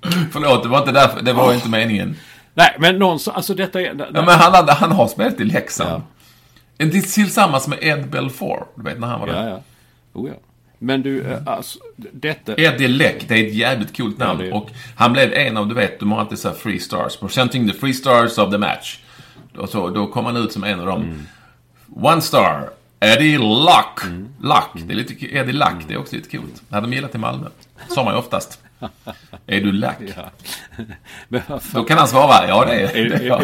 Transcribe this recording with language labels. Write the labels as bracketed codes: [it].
[sv] Förlåt, det var inte därför, det var inte meningen. Nej, men någonstans, alltså detta är... Men han har spelat i Leksand. Ja. Det är tillsammans med Ed Belfour, du vet när han var där. Ja. Oh, ja. Men du, alltså, detta... Eddie Läck, det är ett jävligt coolt namn. Ja, och han blev en av, du vet, de har alltid så här [en] three stars. Presenting the three stars of the match. [sv] Och så, då kom han ut som en av dem. [en] One star, [sv] Eddie Luck. Luck, det är lite... Eddie Luck, det är också lite coolt. Det hade de gillat i Malmö. Sa man ju oftast. Är du Läck? Ja. Då kan han svara, ja det är.